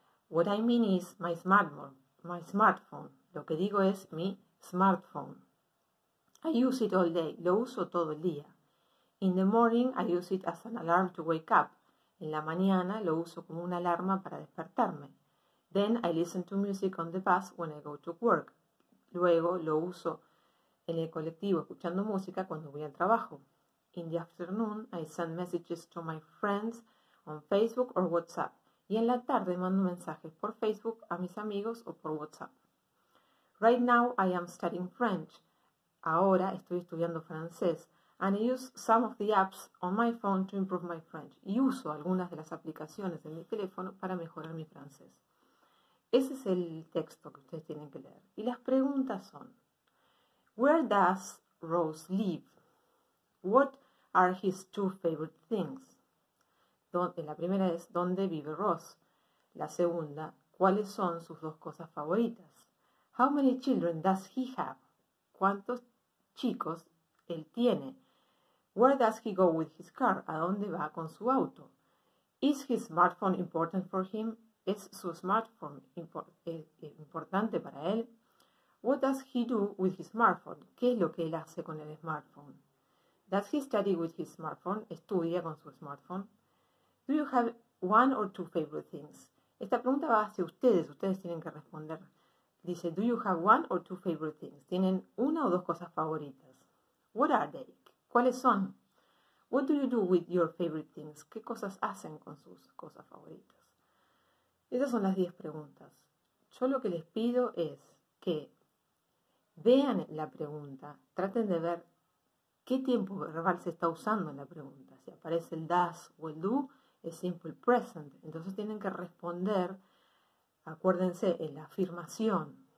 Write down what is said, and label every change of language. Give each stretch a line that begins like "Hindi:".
English: What I mean is my smartphone.
Spanish: Lo que digo es mi smartphone.
English: I use it all day,
Spanish: lo uso todo el día.
English: In the morning, I use it as an alarm to wake up.
Spanish: En la mañana lo uso como una alarma para despertarme.
English: Then I listen to music on the bus when I go to work.
Spanish: Luego lo uso en el colectivo escuchando música cuando voy al trabajo.
English: In the afternoon, I send messages to my friends on Facebook or WhatsApp.
Spanish: Y en la tarde mando mensajes por Facebook a mis amigos o por WhatsApp.
English: Right now, I am studying French.
Spanish: Ahora estoy estudiando francés.
English: And I use some of the apps on my phone to improve my French.
Spanish: Y uso algunas de las aplicaciones de mi teléfono para mejorar mi francés. Ese es el texto que ustedes tienen que leer. Y las preguntas son,
English: where does Rose live? What are his two favorite things?
Spanish: La primera es, ¿dónde vive Rose? La segunda, ¿cuáles son sus dos cosas favoritas?
English: How many children does he have?
Spanish: ¿Cuántos chicos él tiene?
English: Where does he go with his car?
Spanish: ¿A dónde va con su auto?
English: Is his smartphone important for him?
Spanish: ¿Es su smartphone importante para él?
English: What does he do with his smartphone?
Spanish: ¿Qué es lo que él hace con el smartphone?
English: Does he study with his smartphone?
Spanish: ¿Estudia con su smartphone?
English: Do you have one or two favorite things?
Spanish: Esta pregunta va hacia ustedes. Ustedes tienen que responder. Dice,
English: do you have one or two favorite things?
Spanish: ¿Tienen una o dos cosas favoritas?
English: What are they?
Spanish: ¿Cuáles son?
English: What do you do with your favorite things?
Spanish: ¿Qué cosas hacen con sus cosas favoritas? Esas son las 10 preguntas. Yo lo que les pido es que vean la pregunta, traten de ver qué tiempo verbal se está usando en la pregunta. Si aparece el does o el do, es simple present. Entonces tienen que responder, acuérdense, en la afirmación.